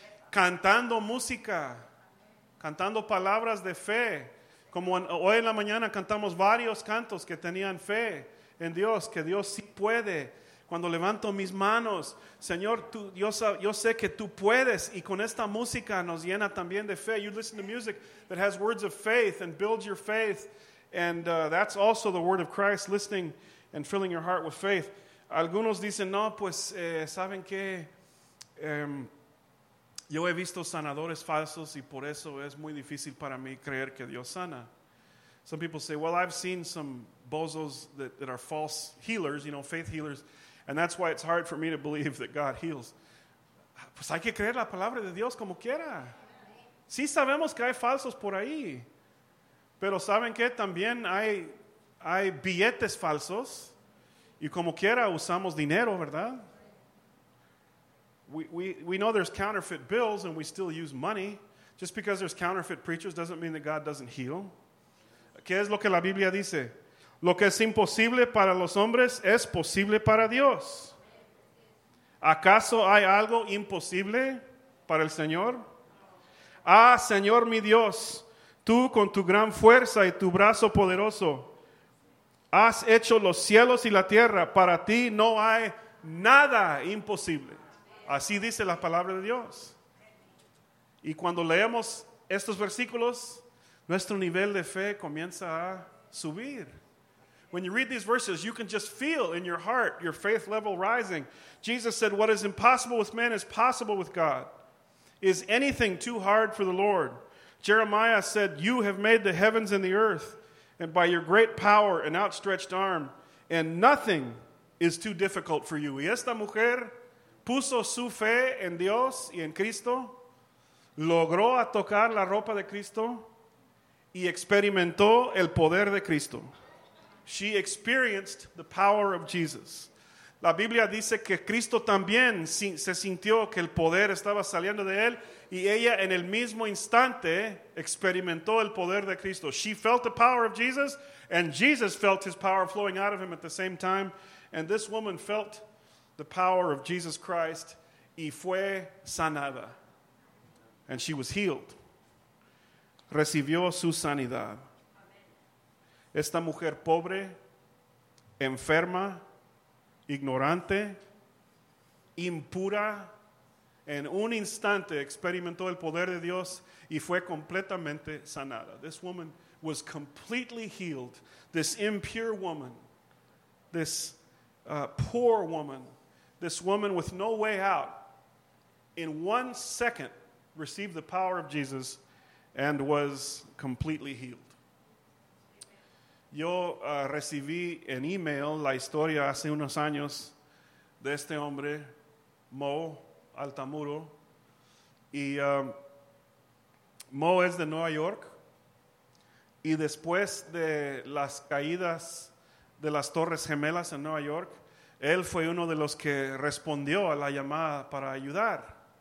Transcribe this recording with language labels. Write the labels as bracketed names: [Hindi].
[Spanish] Cantando música, cantando palabras de fe. Como hoy en la mañana cantamos varios cantos que tenían fe en Dios, que Dios sí puede. Cuando levanto mis manos, Señor, yo sé que tú puedes. Y con esta música nos llena también de fe. [English] You listen to music that has words of faith and builds your faith. And that's also the word of Christ, listening and filling your heart with faith. [Spanish] Algunos dicen, no, pues, ¿saben qué? Yo he visto sanadores falsos y por eso es muy difícil para mí creer que Dios sana. [English] Some people say, well, I've seen some bozos that are false healers, you know, faith healers. And that's why it's hard for me to believe that God heals. [Spanish] Pues hay que creer la palabra de Dios como quiera. Sí sabemos que hay falsos por ahí. Pero ¿saben qué? También hay billetes falsos. Y como quiera usamos dinero, ¿verdad? [English] We know there's counterfeit bills and we still use money. Just because there's counterfeit preachers doesn't mean that God doesn't heal. [Spanish] ¿Qué es lo que la Biblia dice? Lo que es imposible para los hombres es posible para Dios. ¿Acaso hay algo imposible para el Señor? Ah, Señor mi Dios, tú con tu gran fuerza y tu brazo poderoso has hecho los cielos y la tierra. Para ti no hay nada imposible. Así dice la palabra de Dios. Y cuando leemos estos versículos, nuestro nivel de fe comienza a subir. [English] When you read these verses, you can just feel in your heart your faith level rising. Jesus said, what is impossible with man is possible with God. Is anything too hard for the Lord? Jeremiah said, you have made the heavens and the earth, and by your great power and outstretched arm, and nothing is too difficult for you. [Spanish] Y esta mujer puso su fe en Dios y en Cristo. logró a tocar la ropa de Cristo y experimentó el poder de Cristo. [English] She experienced the power of Jesus. [Spanish] La Biblia dice que Cristo también se sintió que el poder estaba saliendo de él y ella en el mismo instante experimentó el poder de Cristo. [English] She felt the power of Jesus and Jesus felt his power flowing out of him at the same time. And this woman felt the power of Jesus Christ [Spanish] y fue sanada. [English] And she was healed. [Spanish] Recibió su sanidad. Esta mujer pobre, enferma, ignorante, impura, en un instante experimentó el poder de Dios y fue completamente sanada. [English] This woman was completely healed. This impure woman, this poor woman, this woman with no way out, in one second received the power of Jesus and was completely healed. [Spanish] Yo recibí en email la historia hace unos años de este hombre, Mo Altamuro. Y Mo es de Nueva York. Y después de las caídas de las Torres Gemelas en Nueva York, él fue uno de los que respondió a la llamada para ayudar.